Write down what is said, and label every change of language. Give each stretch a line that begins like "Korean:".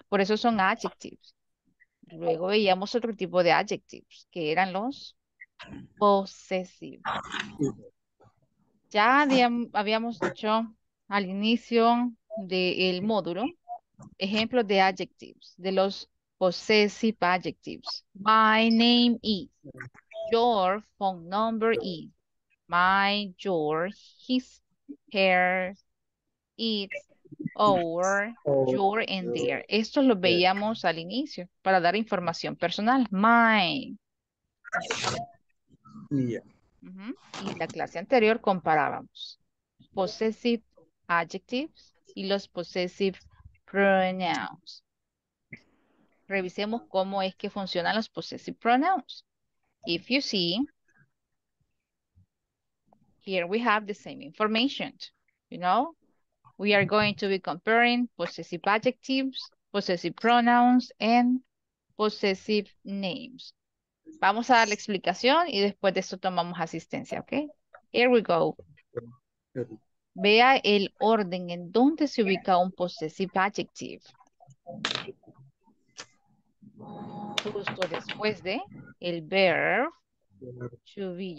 Spanish: Por eso son adjectives. Luego veíamos otro tipo de adjectives, que eran los possessive. Ya habíamos dicho al inicio del módulo ejemplos de adjectives, de los possessive adjectives.
English: My name is, your phone number is, my, your, his, her, its, our, your, and their.
Spanish: Esto lo veíamos al inicio para dar información personal.
English: Mine. Yeah.
Spanish: Y la clase anterior comparábamos possessive adjectives y los possessive pronouns. Revisemos cómo es que funcionan los possessive pronouns.
English: If you see, here we have the same information. You know, we are going to be comparing possessive adjectives, possessive pronouns, and possessive names.
Spanish: Vamos a dar la explicación y después de eso tomamos asistencia, ¿ok?
English: Here we go.
Spanish: Vea el orden en donde se ubica un possessive adjective. Justo después de el verb to be.